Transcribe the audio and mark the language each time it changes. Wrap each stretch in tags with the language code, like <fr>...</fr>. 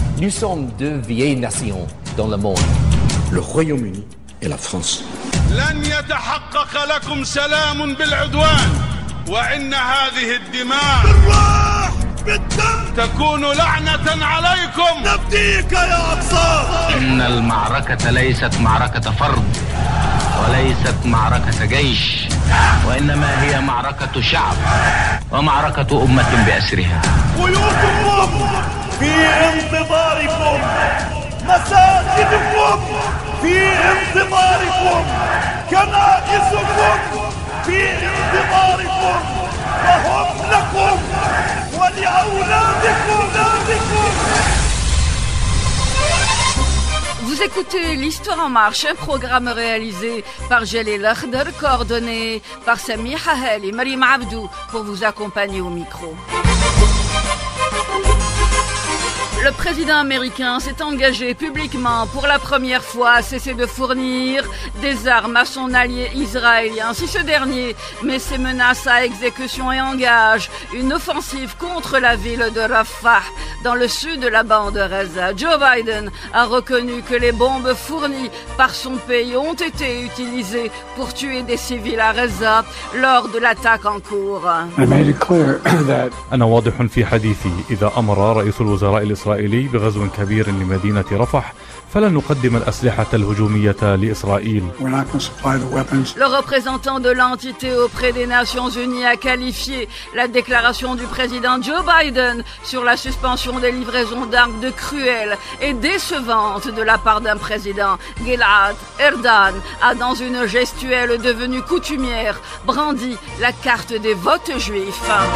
<fr>Nous sommes deux vieilles nations dans le monde. Le Royaume-Uni et la France.</fr> <ar>لن يتحقق لكم سلام بالعدوان وإن هذه الدماء بالروح بالدم تكون لعنة عليكم نفديك يا أقصى إن المعركة ليست معركة فرد وليست معركة جيش وإنما هي معركة شعب ومعركة أمة بأسرها بيوتكم في انتظاركم مساجدكم في انتظاركم كنائسكم في انتظاركم وهم لكم ولأولادكم</ar> <fr>Vous écoutez L'Histoire en Marche, un programme réalisé par Jalil Akhdar, coordonné par Samir Hahel et Marim Abdou pour vous accompagner au micro. Le président américain s'est engagé publiquement pour la première fois à cesser de fournir des armes à son allié israélien si ce dernier met ses menaces à exécution et engage une offensive contre la ville de Rafah dans le sud de la bande de Gaza. Joe Biden a reconnu que les bombes fournies par son pays ont été utilisées pour tuer des civils à Gaza lors de l'attaque en cours.</fr> <ar>إسرائيلي بغزو كبير لمدينة رفح فلن نقدم الأسلحة الهجومية لإسرائيل.</ar> <fr>Le représentant de l'entité auprès des Nations Unies a qualifié la déclaration du président Joe Biden sur la suspension des livraisons d'armes de cruelle et décevante de la part d'un président. Gilad Erdan a, dans une gestuelle devenue coutumière, brandi la carte des votes juifs.</fr>